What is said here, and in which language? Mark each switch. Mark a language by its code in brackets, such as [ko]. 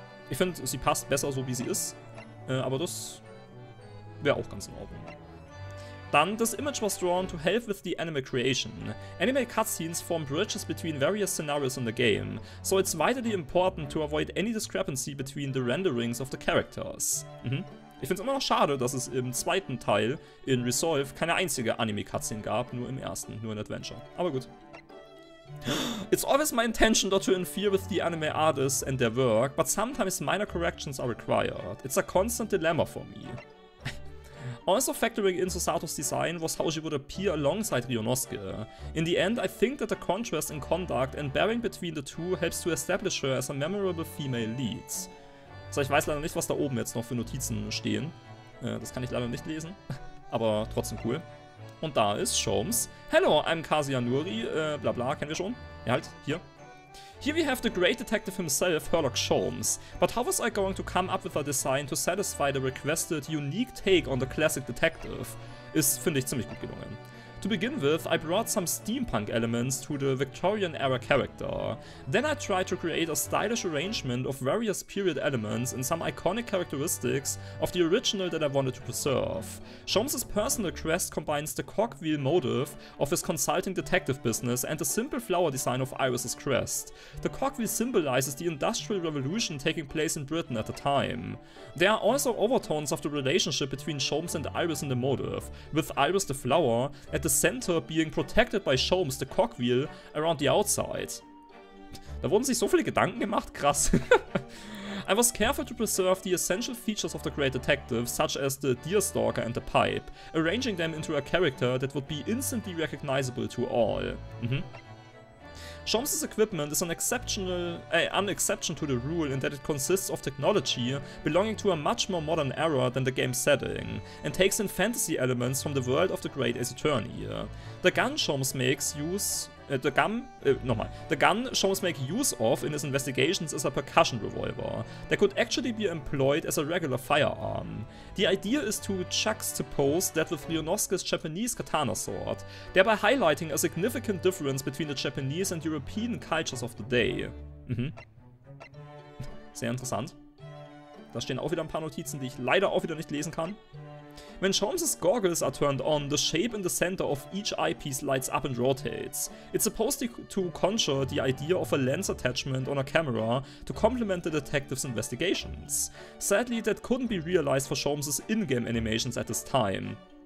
[de] Ich finde, sie passt besser so, wie sie ist. Aber das wäre auch ganz in Ordnung. Dann, [en] this image was drawn to help with the anime creation. Anime cutscenes form bridges between various scenarios in the game, so it's vitally important to avoid any discrepancy between the renderings of the characters. Mhm. [de] Ich finde es immer noch schade, dass es im zweiten Teil in Resolve keine einzige Anime-Cutscene gab, nur im ersten, nur in Adventure. Aber gut. [en] It's always my intention not to interfere with the anime artists and their work, but sometimes minor corrections are required. It's a constant dilemma for me. Also factoring in Susato's design was how she would appear alongside Ryunosuke. In the end, I think that the contrast in conduct and bearing between the two helps to establish her as a memorable female lead. [de] So, ich weiß leider nicht, was da oben jetzt noch für Notizen stehen. Das kann ich leider nicht lesen, aber trotzdem cool. Und da ist Sholmes. [en] Hello, I'm Kazuya Nuri, [de] bla bla, kennen wir schon. Ja halt, hier. [en] Here we have the great detective himself, Herlock Sholmes. But how was I going to come up with a design to satisfy the requested unique take on the classic detective? [de] Ist, finde ich, ziemlich gut gelungen. [en] To begin with, I brought some steampunk elements to the Victorian era character. Then I tried to create a stylish arrangement of various period elements and some iconic characteristics of the original that I wanted to preserve. Sholmes' personal quest combines the cogwheel motive of his consulting detective business and the simple flower design of Iris' crest. The cogwheel symbolizes the industrial revolution taking place in Britain at the time. There are also overtones of the relationship between Sholmes and Iris in the motive, with Iris the flower at the center being protected by Sholmes, the cogwheel, around the outside. [de] Da wurden sich so viele Gedanken gemacht, krass. [en] I was careful to preserve the essential features of the great detective, such as the deerstalker and the pipe, arranging them into a character that would be instantly recognizable to all. Mhm. Sholmes' equipment is an exception to the rule in that it consists of technology belonging to a much more modern era than the game setting, and takes in fantasy elements from the world of the Great Ace Attorney. The gun Sholmes makes use of in his investigations is a percussion revolver that could actually be employed as a regular firearm. The idea is to juxtapose that with Ryunosuke's Japanese katana sword, thereby highlighting a significant difference between the Japanese and European cultures of the day. [de] Mhm. Sehr interessant. Da stehen auch wieder ein paar Notizen, die ich leider auch wieder nicht lesen kann. [en] When Sholmes' goggles are turned on, the shape in the center of each eyepiece lights up and rotates. It's supposed to conjure the idea of a lens attachment on a camera to complement the detective's investigations. Sadly, that couldn't be realized for Sholmes' in-game animations at this time.